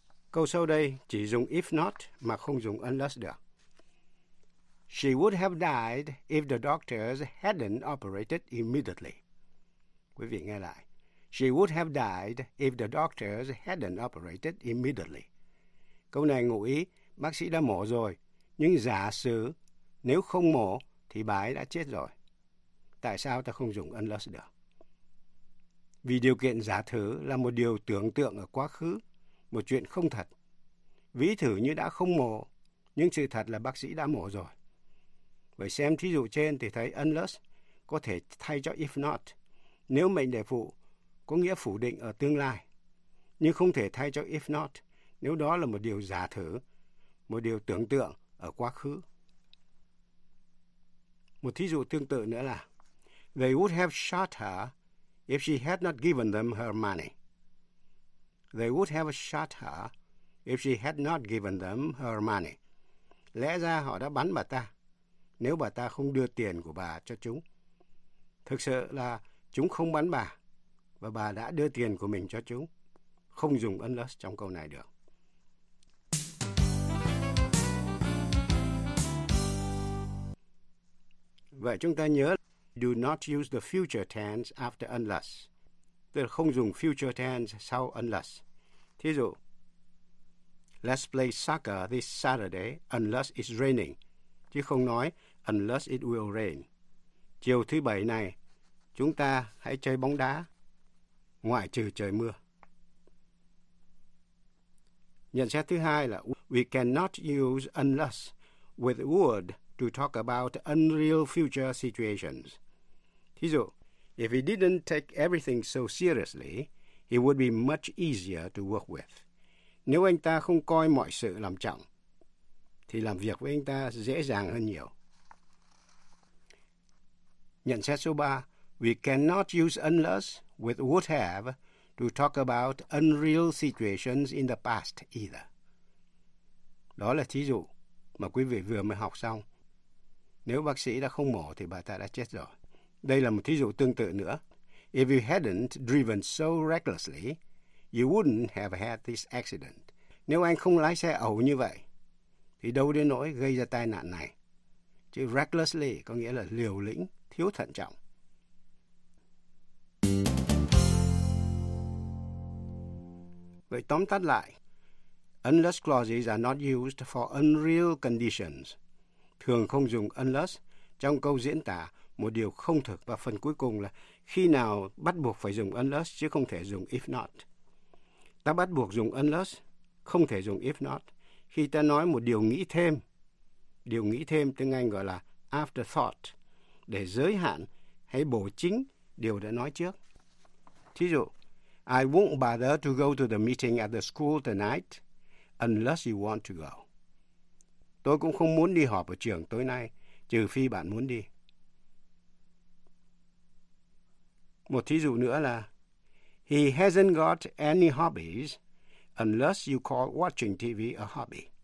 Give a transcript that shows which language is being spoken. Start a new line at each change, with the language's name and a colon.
Vietnamese: Câu sau đây chỉ dùng if not mà không dùng unless được.
English: She would have died if the doctors hadn't operated immediately.
Vietnamese: Quý vị nghe lại.
English: She would have died if the doctors hadn't operated immediately.
Vietnamese: Câu này ngụ ý bác sĩ đã mổ rồi, nhưng giả sử nếu không mổ thì bà ấy đã chết rồi. Tại sao ta không dùng unless được? Vì điều kiện giả thử là một điều tưởng tượng ở quá khứ, một chuyện không thật. Ví thử như đã không mổ, nhưng sự thật là bác sĩ đã mổ rồi. Vậy xem thí dụ trên thì thấy unless có thể thay cho if not, nếu mệnh đề phụ có nghĩa phủ định ở tương lai, nhưng không thể thay cho if not nếu đó là một điều giả thử, một điều tưởng tượng ở quá khứ. Một thí dụ tương tự nữa là
English: They would have shot her if she had not given them her money. They would have shot her if she had not given them her money.
Vietnamese: Lẽ ra họ đã bắn bà ta nếu bà ta không đưa tiền của bà cho chúng. Thực sự là chúng không bắn bà và bà đã đưa tiền của mình cho chúng. Không dùng unless trong câu này được. Vậy chúng ta nhớ,
English: do not use the future tense after unless.
Vietnamese: Tức là không dùng future tense sau unless. Thí dụ,
English: let's play soccer this Saturday unless it's raining.
Vietnamese: Chứ không nói
English: unless it will rain.
Vietnamese: Chiều thứ bảy này, chúng ta hãy chơi bóng đá ngoại trừ trời mưa. Nhận xét thứ hai là
English: we cannot use unless with would to talk about unreal future situations. Thí dụ, if he didn't take everything so seriously, he would be much easier to work with.
Vietnamese: Nếu anh ta không coi mọi sự làm trọng, thì làm việc với anh ta dễ dàng hơn nhiều. Nhận xét số 3,
English: we cannot use unless with would have to talk about unreal situations in the past either.
Vietnamese: Đó là thí dụ mà quý vị vừa mới học xong. Nếu bác sĩ đã không mổ thì bà ta đã chết rồi. Đây là một thí dụ tương tự nữa.
English: If you hadn't driven so recklessly, you wouldn't have had this accident.
Vietnamese: Nếu anh không lái xe ẩu như vậy, thì đâu đến nỗi gây ra tai nạn này. Chứ recklessly có nghĩa là liều lĩnh, thiếu thận trọng. Vậy tóm tắt lại,
English: unless clauses are not used for unreal conditions.
Vietnamese: Thường không dùng unless trong câu diễn tả một điều không thực, và phần cuối cùng là khi nào bắt buộc phải dùng unless chứ không thể dùng if not. Ta bắt buộc dùng unless, không thể dùng if not khi ta nói một điều nghĩ thêm. Điều nghĩ thêm tiếng Anh gọi là afterthought, để giới hạn hay bổ chính điều đã nói trước. Thí dụ,
English: I won't bother to go to the meeting at the school tonight unless you want to go.
Vietnamese: Tôi cũng không muốn đi họp ở trường tối nay, trừ phi bạn muốn đi. Một thí dụ nữa là
English: he hasn't got any hobbies unless you call watching TV a hobby.